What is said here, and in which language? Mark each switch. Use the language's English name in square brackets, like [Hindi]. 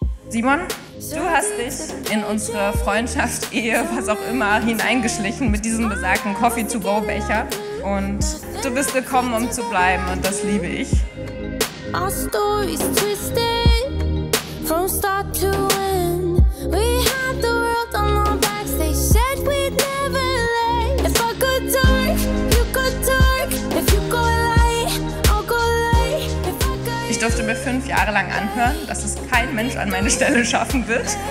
[German] Simon, du hast dich in unsere Freundschaft, Ehe, was auch immer, hineingeschlichen mit diesem besagten Coffee-to-go-Becher. Und du bist gekommen, um zu bleiben, und das liebe ich. [English] Our story's twisted from start to end. We had the world on our backs, they said we'd never land. If I could talk, you could talk. If you go light, I'll go light. [German] Ich durfte mir 5 Jahre lang anhören, dass es kein Mensch an meine Stelle schaffen wird.